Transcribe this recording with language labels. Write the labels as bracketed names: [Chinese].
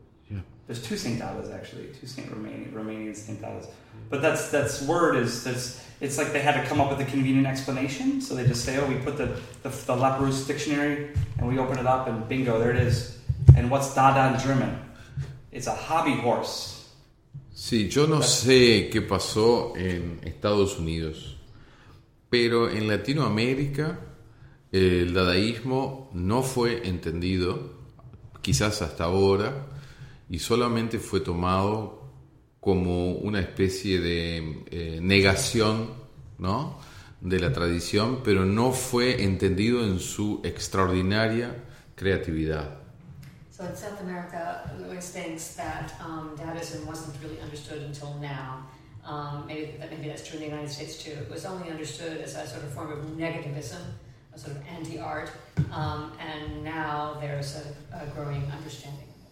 [English] Yeah. There's two Saint Dadas, actually. Two Saint Romanian Saint Dadas. But it's like they had to come up with a convenient explanation, so they just say, oh, we put the Laperouse dictionary, and we open it up, and bingo, there it is. And what's Dada in German? It's a hobby horse. [Spanish] Sí, yo no sé qué pasó en Estados Unidos, pero en Latinoamérica el dadaísmo no fue entendido, quizás hasta ahora, y solamente fue tomado como una especie de negación, ¿no?, de la tradición, pero no fue entendido en su extraordinaria creatividad. [English] So in South America, Luis thinks that Dadaism wasn't really understood until now. Maybe that's true in the United States too. It was only understood as a sort of form of negativism, a sort of anti-art, and now there's a growing understanding